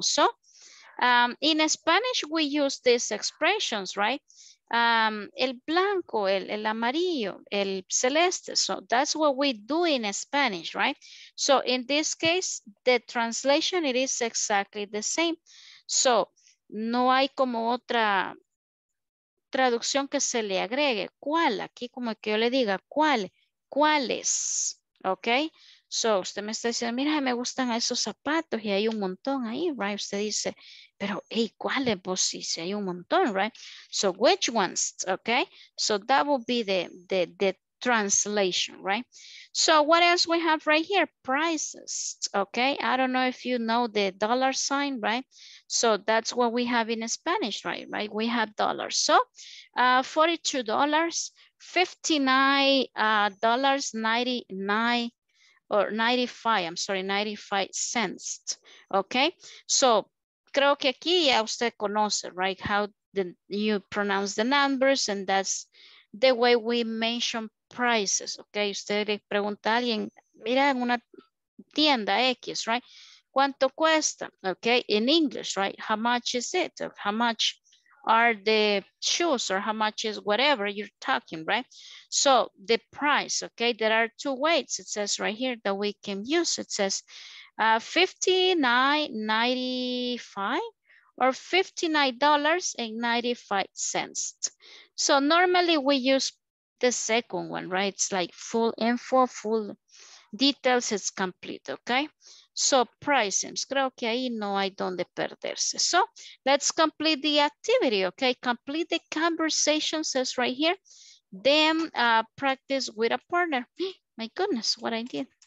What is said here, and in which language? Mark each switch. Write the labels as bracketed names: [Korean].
[English] So, in Spanish, we use these expressions, right? [Spanish] El blanco, el amarillo, el celeste. [English] So that's what we do in Spanish, right? So in this case, the translation, it is exactly the same. [Spanish] So no hay como otra traducción que se le agregue. ¿Cuál? Aquí como que yo le diga, ¿cuál? ¿Cuáles? ¿Ok? So usted me está diciendo, mira, me gustan esos zapatos y hay un montón ahí, [English] right? [Spanish] Usted dice, pero, [English] hey, [Spanish] ¿cuáles? Pues sí, si hay un montón, [English] right? So, which ones, okay? So, that would be the translation, right? So, what else we have right here? Prices, okay? I don't know if you know the dollar sign, right? So, that's what we have in Spanish, right? Right? We have dollars. So, $42, $95, okay? [Spanish] So, creo que aquí ya usted conoce, [English] right? How you pronounce the numbers, and that's the way we mention prices, okay? [Spanish] Usted le pregunta a alguien, mira, en una tienda X, [English] right? [Spanish] ¿Cuánto cuesta? [English] Okay, in English, right? How much is it? Or how much are the shoes, or how much is whatever you're talking, right? So the price, okay? There are two ways, it says right here, that we can use. It says, $59.95 or $59.95. So normally we use the second one, right? It's like full info, full details, it's complete, okay? So pricings, [Spanish] creo que ahí no hay donde perderse. [English] So let's complete the activity, okay? Complete the conversation, says right here. Then practice with a partner. My goodness, what I did.